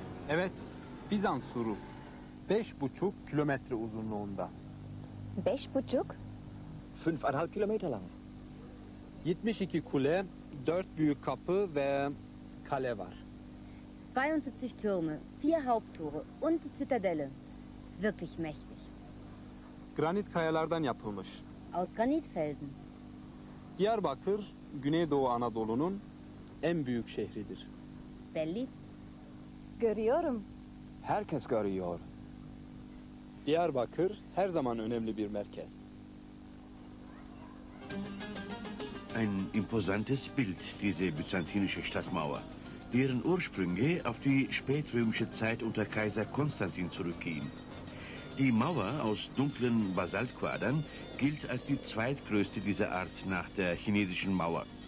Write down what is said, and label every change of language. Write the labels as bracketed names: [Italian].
[Turkish] Evet, Bizans Surru. 5,5 Kilometer uzunluğunda. 5,5? [German] 5,5 Kilometer lang. [Turkish] 72 Kule. 4 Büyükkapı ve kale var. [German] 72 Türme, 4 Haupttore und die Zitadelle. Ist wirklich mächtig. [Turkish] Granitkayalardan yapılmış. [German] Aus Granitfelsen. [Turkish] Diyarbakır, Güneydoğu Anadolu'nun en büyük şehridir. Belli. Görüyorum. Herkes görüyor. Diyarbakır her zaman önemli bir merkez. [German] Ein imposantes Bild, diese byzantinische Stadtmauer, deren Ursprünge auf die spätrömische Zeit unter Kaiser Konstantin zurückgehen. Die Mauer aus dunklen Basaltquadern gilt als die zweitgrößte dieser Art nach der chinesischen Mauer.